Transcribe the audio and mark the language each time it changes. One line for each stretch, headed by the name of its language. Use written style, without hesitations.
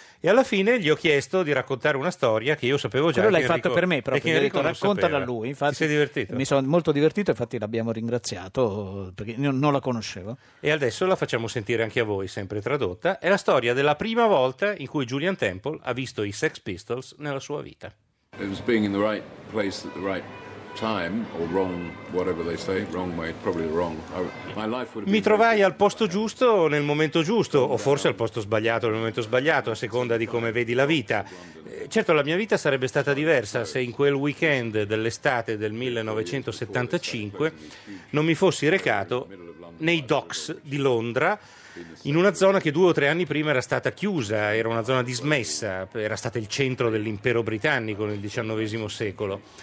Italian: E alla fine gli ho chiesto di raccontare una storia che io sapevo già. Però l'hai fatto per me proprio, gli ho detto raccontala lui. Infatti, ti sei divertito? Mi sono molto divertito, infatti l'abbiamo ringraziato, perché non la conoscevo. E adesso la facciamo sentire anche a voi, sempre tradotta. È la storia della prima volta in cui Julian Temple ha visto i Sex Pistols nella sua vita.
English: It was being in the right place at the right time, or wrong, whatever they say, wrong way, probably wrong.
Italian: Mi trovai al posto giusto nel momento giusto, o forse al posto sbagliato nel momento sbagliato, a seconda di come vedi la vita. Certo, la mia vita sarebbe stata diversa se in quel weekend dell'estate del 1975 non mi fossi recato nei docks di Londra, in una zona che 2 o 3 anni prima era stata chiusa, era una zona dismessa, era stata il centro dell'impero britannico nel XIX secolo.